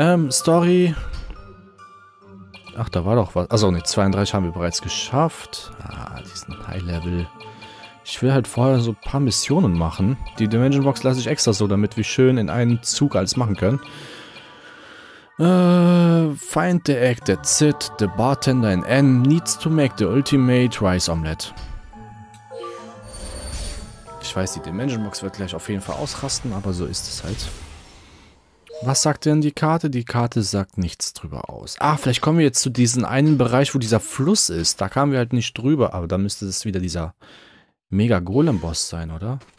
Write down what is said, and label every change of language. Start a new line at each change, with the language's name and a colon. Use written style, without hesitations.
German: Story. Ach, da war doch was. Achso, ne, 32 haben wir bereits geschafft. Ah, diesen High Level. Ich will halt vorher so ein paar Missionen machen. Die Dimension Box lasse ich extra so, damit wir schön in einem Zug alles machen können.
English: Find the egg, that's it. The bartender in N needs to make the ultimate rice omelette.
German: Ich weiß, die Dimension Box wird gleich auf jeden Fall ausrasten, aber so ist es halt. Was sagt denn die Karte? Die Karte sagt nichts drüber aus. Ah, vielleicht kommen wir jetzt zu diesem einen Bereich, wo dieser Fluss ist. Da kamen wir halt nicht drüber, aber da müsste es wieder dieser Mega-Golem-Boss sein, oder?